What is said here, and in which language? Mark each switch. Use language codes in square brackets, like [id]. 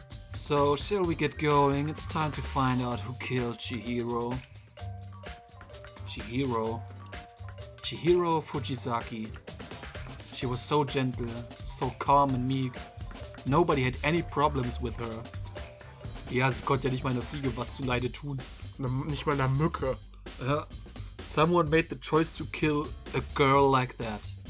[en] So, shall we get going? It's time to find out who killed Chihiro. Chihiro Fujisaki. She was so gentle, so calm and meek. Nobody had any problems with her. [de] Ja, sie konnte ja nicht mal einer Fliege was zu leide tun. Nicht mal einer Mücke. [en] Someone made the choice to kill a girl like that.